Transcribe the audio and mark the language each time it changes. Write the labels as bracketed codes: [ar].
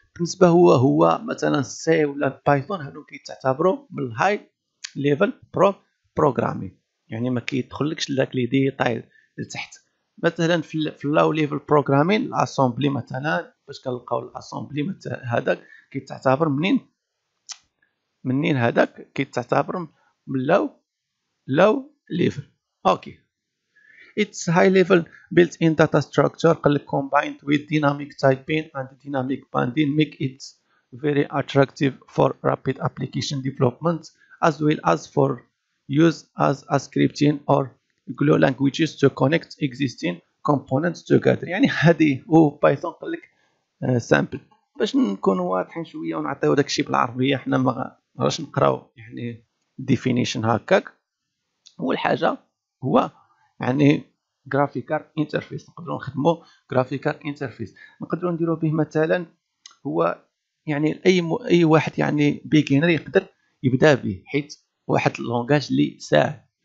[ar] بالنسبه هو مثلا سي ولا بايثون هادو كيتعتبروا من الهاي ليفل بروغرامين، يعني ما كيدخلكش لذاك لي ديتاي لتحت. مثلا في لو ليفل بروغرامين الاسامبلي مثلا باش كنلقاو الاسامبلي هذاك كيتعتبر منين هذاك كيتعتبر من لو ليفل. [en] اوكي، it's high level built in data structure combined with dynamic typing and dynamic banding make it very attractive for rapid application development as well as for use as a scripting or glue languages to connect existing components together. [ar] يعني هادي هو بايثون قال لك سامبل. باش نكونوا واضحين شويه ونعطيو داكشي بالعربيه، حنا ما غاش نقراو يعني ديفينيشن هكاك. اول حاجه هو يعني جرافيكال انترفيس، نقدروا نخدموا جرافيكال انترفيس، نقدروا نديروا به مثلا هو يعني اي واحد يعني بيجينر يقدر يبدا به، حيت واحد اللونغاج اللي ساهل.